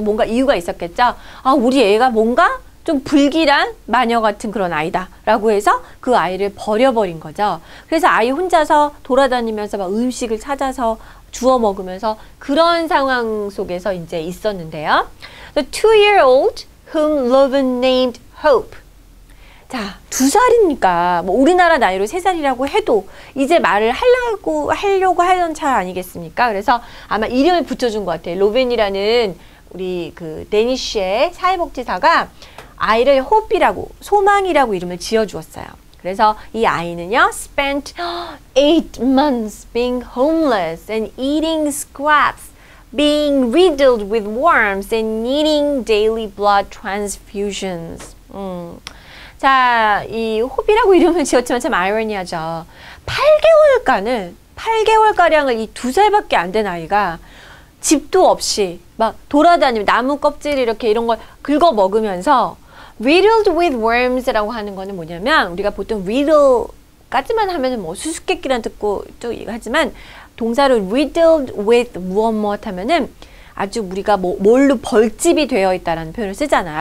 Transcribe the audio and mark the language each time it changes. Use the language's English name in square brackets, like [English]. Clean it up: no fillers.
[Korean] 뭔가 이유가 있었겠죠. 아, 우리 애가 뭔가 좀 불길한 마녀 같은 그런 아이다 라고 해서 그 아이를 버려버린 거죠. 그래서 아이 혼자서 돌아다니면서 막 음식을 찾아서 주워 먹으면서 그런 상황 속에서 이제 있었는데요. [English] The two-year-old whom Loven named Hope. [Korean] 자, 두 살이니까 뭐 우리나라 나이로 세 살이라고 해도 이제 말을 하려고 하던 차 아니겠습니까? 그래서 아마 이름을 붙여준 것 같아요. 로벤이라는 우리 그 데니쉬의 사회복지사가 아이를 Hope이라고 소망이라고 이름을 지어주었어요. 그래서 이 아이는요, [English] spent 8 months being homeless and eating scraps, being riddled with worms and needing daily blood transfusions. [Korean] 자, 이 호비라고 이름을 지었지만 참 아이러니하죠. 8개월가량을 이 두 살밖에 안 된 아이가 집도 없이 막 돌아다니며 나무 껍질 이렇게 이런 걸 긁어 먹으면서 [English] riddled with worms [Korean] 라고 하는 거는 뭐냐면 우리가 보통 riddle까지만 하면은 뭐 수수께끼란 듣고 또 하지만 동사로 riddled with 무엇무엇 하면은 아주 우리가 뭐 뭘로 벌집이 되어 있다라는 표현을 쓰잖아요.